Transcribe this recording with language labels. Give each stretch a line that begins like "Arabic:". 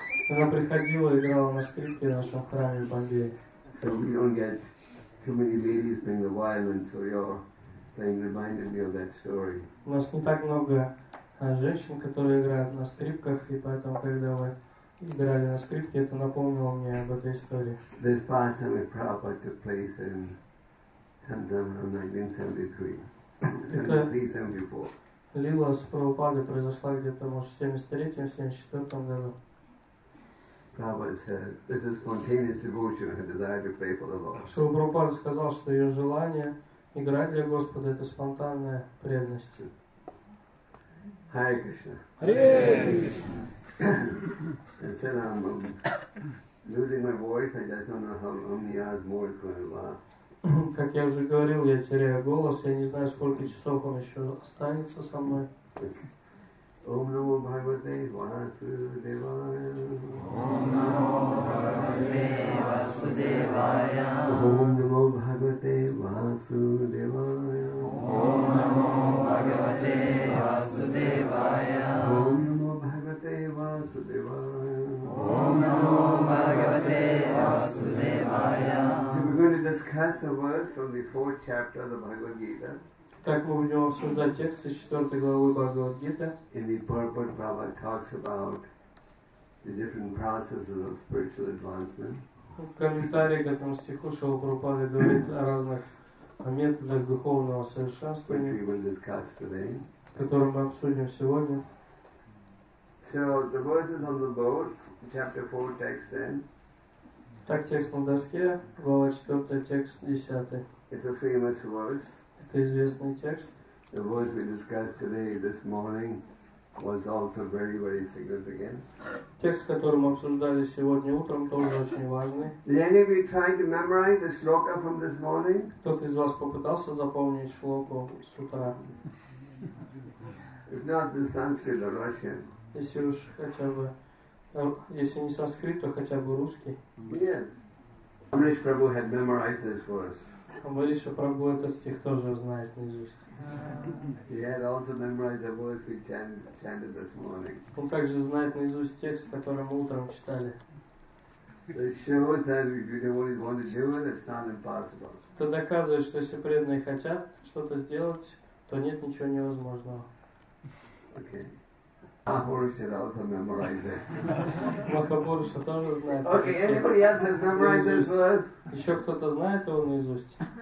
Russian: Она приходила и играла на скрипке в нашем храме в Бомбее.
English: So we don't get too many ladies playing the violin, so your playing reminded me of that story.
Russian: У нас не так много женщин, которые играют на скрипках, и поэтому, когда вы играли на скрипке, это напомнило мне об этой истории.
English: This passing of Prabhupada took place in sometime around 1973.
Russian: Лила с Прабхупадой произошла где-то, может, в 73-74 году.
English: Prabhupada said, "This is spontaneous devotion, her desire to play for the Lord."
Russian: Шрила Прабхупада сказал, что ее желание играть для Господа это спонтанная преданность.
Sanskrit: Hare Krishna. Hare Krishna.
English: I said, "I'm losing my voice. I just don't know how many hours more it's going to last."
Russian: Как я уже говорил, я теряю голос. Я не знаю, сколько часов он еще останется со мной.
Sanskrit: Om Namo Bhagavate Vasudevaya. Om Namo Bhagavate Vasudevaya. Om Namo Bhagavate Vasudevaya. Om Namo Bhagavate Vasudevaya. Om Namo Bhagavate Vasudevaya. Om Namo Bhagavate Vasudevaya.
English: So we're going to discuss a verse from the fourth chapter of the Bhagavad Gita.
Russian: Так мы будем обсуждать текст из 4 главы Бхагавад Гита.
English: In the purport, Prabhupada talks about the different processes of spiritual advancement.
Russian: В комментарии к этому стиху Шрила Прабхупада говорит о разных методах духовного совершенствования,
English: which we will discuss today,
Russian: которые мы обсудим сегодня.
English: So the verses on the board, chapter 4, text 10.
Russian: Так текст на доске, глава 4, текст 10.
English: It's a famous verse.
Russian: Известный текст.
English: The verse we discussed today, this morning, was also very, very significant.
Russian: Текст, который мы обсуждали сегодня утром, тоже очень важный.
English: Did any of you try to memorize the shloka from this morning?
Russian: Кто-то из вас попытался запомнить шлоку с утра?
English: If not the Sanskrit or Russian.
Russian: Если уж хотя бы, если не санскрит, то хотя бы русский.
English: Yeah. Amrish Prabhu had memorized this verse.
Russian: Амриша Прабху этот стих тоже знает наизусть.
English: He had also memorized the verse we chanted this morning.
Russian: Он также знает наизусть текст, который мы утром читали.
English: It shows that if you don't want to do it, it's not impossible.
Russian: Это доказывает, что если преданные хотят что-то сделать, то нет ничего невозможного.
English: Okay. Махапуруша also memorized it.
Russian: Махапуруша тоже знает.
English: Okay, anybody else has memorized this verse?
Russian: Еще кто-то знает его наизусть?